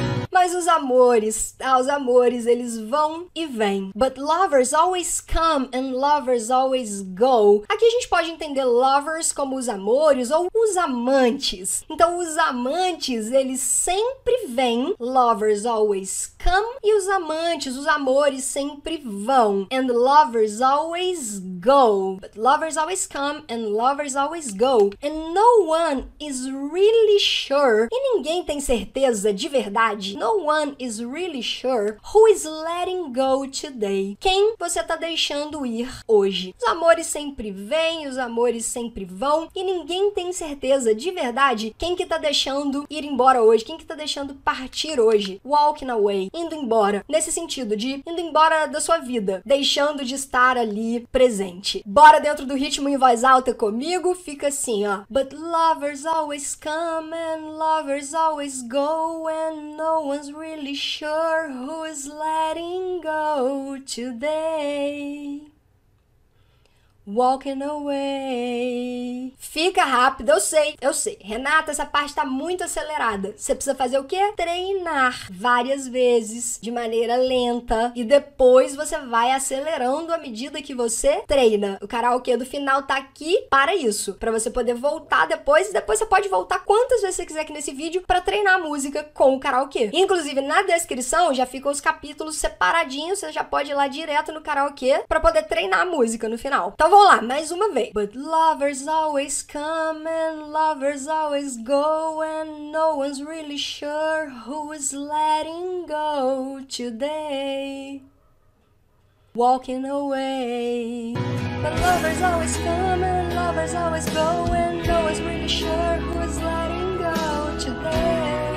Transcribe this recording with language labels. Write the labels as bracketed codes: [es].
[pt] Mas os amores, eles vão e vêm. [en] But lovers always come and lovers always go. [pt] Aqui a gente pode entender lovers como os amores ou os amantes. Então, os amantes, eles sempre vêm. [en] Lovers always come. [pt] E os amantes, os amores, sempre vão. [en] And lovers always go. But lovers always come and lovers always go. And no one is really sure. [pt] E ninguém tem certeza de verdade. [en] No one is really sure who is letting go today. [pt] Quem você tá deixando ir hoje? Os amores sempre vêm, os amores sempre vão. E ninguém tem certeza de verdade quem que tá deixando ir embora hoje. Quem que tá deixando partir hoje? [en] Walking away. [pt] Indo embora. Nesse sentido de indo embora da sua vida. Deixando de estar ali presente. Bora dentro do ritmo em voz alta comigo. Fica assim, ó. [en] But lovers always come and lovers always go and no one's really sure who's letting go today. Walking away. [pt] Fica rápido, eu sei, eu sei. Renata, essa parte tá muito acelerada. Você precisa fazer o quê? Treinar várias vezes, de maneira lenta. E depois você vai acelerando à medida que você treina. O karaokê do final tá aqui para isso. Pra você poder voltar depois. E depois você pode voltar quantas vezes você quiser aqui nesse vídeo pra treinar a música com o karaokê. Inclusive, na descrição já ficam os capítulos separadinhos. Você já pode ir lá direto no karaokê pra poder treinar a música no final. Então vamos lá, mais uma vez. [en] But lovers always come and lovers always go and no one's really sure who's letting go today. Walking away. But lovers always come and lovers always go and no one's really sure who's letting go today.